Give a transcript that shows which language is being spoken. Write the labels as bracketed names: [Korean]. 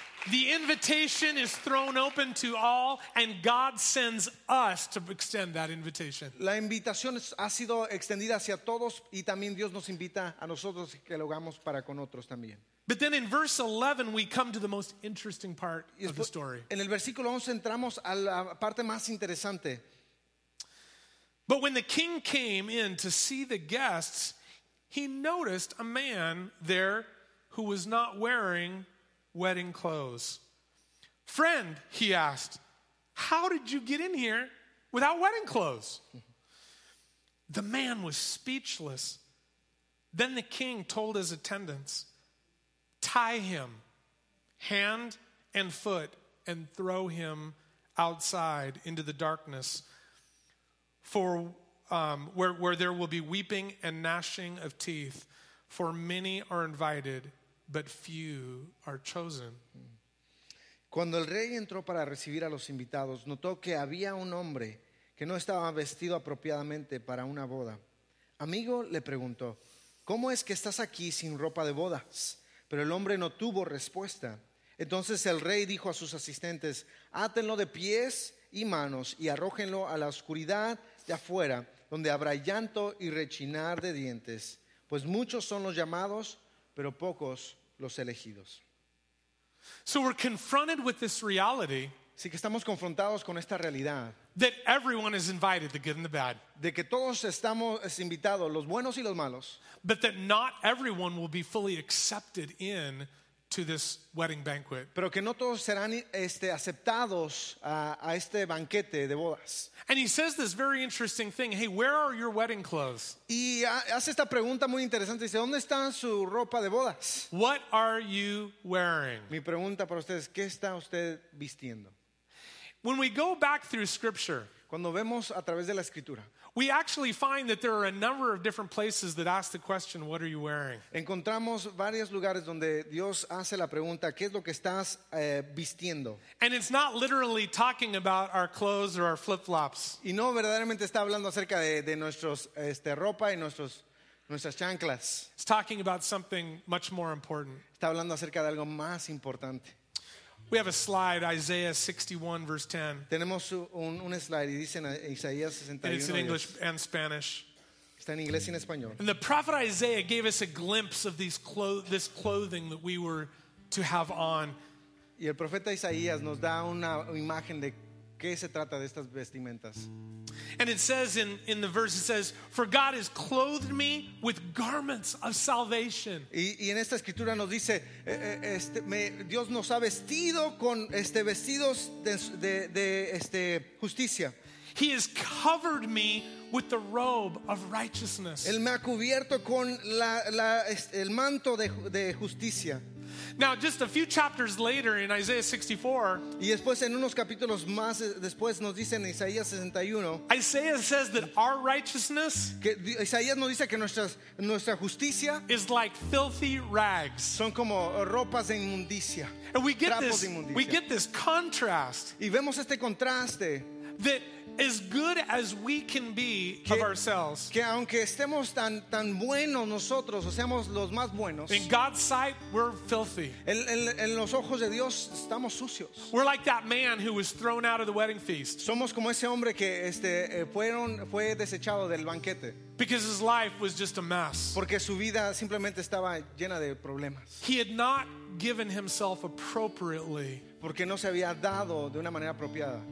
[English] The invitation is thrown open to all, and God sends us to extend that invitation. [Spanish] La invitación ha sido extendida hacia todos, y también Dios nos invita a nosotros que lo hagamos para con otros también. [English] But then in verse 11, we come to the most interesting part of the story. [Spanish] En el versículo 11 entramos a la parte más interesante. [English] But when the king came in to see the guests, he noticed a man there who was not wearing wedding clothes. Friend, he asked, how did you get in here without wedding clothes? The man was speechless. Then the king told his attendants, tie him hand and foot and throw him outside into the darkness for where there will be weeping and gnashing of teeth, for many are invited but few are chosen. [Spanish] Cuando el rey entró para recibir a los invitados, notó que había un hombre que no estaba vestido apropiadamente para una boda. Amigo, le preguntó, ¿cómo es que estás aquí sin ropa de bodas? Pero el hombre no tuvo respuesta. Entonces el rey dijo a sus asistentes, átenlo de pies y manos y arrójenlo a la oscuridad de afuera, donde habrá llanto y rechinar de dientes, pues muchos son los llamados, pero pocos los elegidos. [English] So we're confronted with this reality. [Spanish] Así que estamos confrontados con esta realidad. [English] That everyone is invited, the good and the bad. [Spanish] De que todos estamos invitados, los buenos y los malos. [English] But that not everyone will be fully accepted in to this wedding banquet. [Spanish] Pero que no todos serán aceptados a este banquete de bodas. [English] And he says this very interesting thing. Hey, where are your wedding clothes? [Spanish] Y hace esta pregunta muy interesante. Dice, ¿dónde está su ropa de bodas? [English] What are you wearing? [Spanish] Mi pregunta para ustedes, ¿qué está usted vistiendo? [English] When we go back through Scripture, [Spanish] cuando vemos a través de la Escritura, [English] we actually find that there are a number of different places that ask the question, "What are you wearing?" [Spanish] Encontramos varios lugares donde Dios hace la pregunta, ¿qué es lo que estás vistiendo? [English] And it's not literally talking about our clothes or our flip-flops. [Spanish] Y no verdaderamente está hablando acerca de nuestros ropa y nuestras chanclas. [English] It's talking about something much more important. [Spanish] Está hablando acerca de algo más importante. [English] We have a slide, Isaiah 61, verse 10. [Spanish] Tenemos un slide y dice en Isaías 61. [English] It's in English and Spanish. [Spanish] Está en inglés y en español. [English] And the prophet Isaiah gave us a glimpse of this clothing that we were to have on. [Spanish] Y el profeta Isaías nos da una imagen de qué se trata de estas vestimentas. [English] And it says in the verse, it says, "For God has clothed me with garments of salvation." [Spanish] Y en esta escritura nos dice, Dios nos ha vestido con vestidos de justicia. [English] He has covered me with the robe of righteousness. [Spanish] Él me ha cubierto con el manto de justicia. [English] Now, just a few chapters later in Isaiah 64, [Spanish] y después en unos capítulos más después nos dice en Isaías 61, [English] Isaiah says that our righteousness, [Spanish] que Isaías nos dice que nuestra justicia, [English] is like filthy rags, [Spanish] son como ropas de inmundicia, [English] and we get this contrast, [Spanish] y vemos este contraste, [English] that as good as we can be of ourselves, [Spanish] que aunque estemos tan buenos nosotros, o seamos los más buenos, [English] in God's sight we're filthy. [Spanish] En los ojos de Dios estamos sucios. [English] We're like that man who was thrown out of the wedding feast. [Spanish] Somos como ese hombre que fue desechado del banquete. [English] Because his life was just a mess. [Spanish] Porque su vida simplemente estaba llena de problemas. [English] He had not given himself appropriately. [Spanish] Porque no se había dado de una manera apropiada.